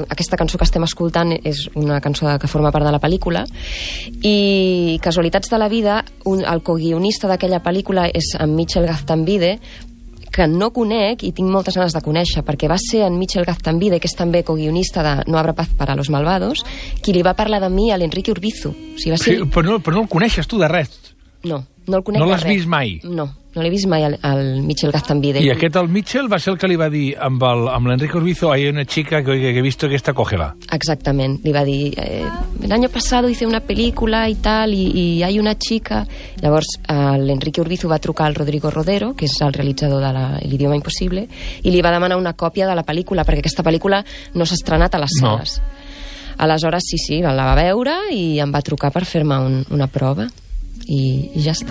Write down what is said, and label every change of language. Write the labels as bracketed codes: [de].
[ca] Aquesta cançó que estem escoltant és una cançó que forma part de la pel·lícula, i casualitats de la vida, el coguionista d'aquella pel·lícula és en Michel Gaztambide, que no conec i tinc moltes ganes de conèixer, perquè va ser en Michel Gaztambide, que és també coguionista de No habrá paz para los malvados, qui li va parlar de mi a l'Enric Urbizu. O sigui, però no el coneixes tu de res? No, no el conec no de res. No l'has vist mai? No, no l'he vist mai al Michel Gaztambide. I aquest, el Michel, va ser el que li va dir amb l'Enric Urbizu, [es] hay una chica que he visto que está, cógela. [ca] Exactament, li va dir, [es] el año pasado hice una película y tal, y hay una chica. [ca] Llavors, l'Enric Urbizu va trucar al Rodrigo Rodero, que és el realitzador de L'Idioma Impossible, i li va demanar una còpia de la pel·lícula, perquè aquesta pel·lícula no s'ha estrenat a les sales. No. Aleshores, sí, la va veure i em va trucar per fer-me una prova. I ja està.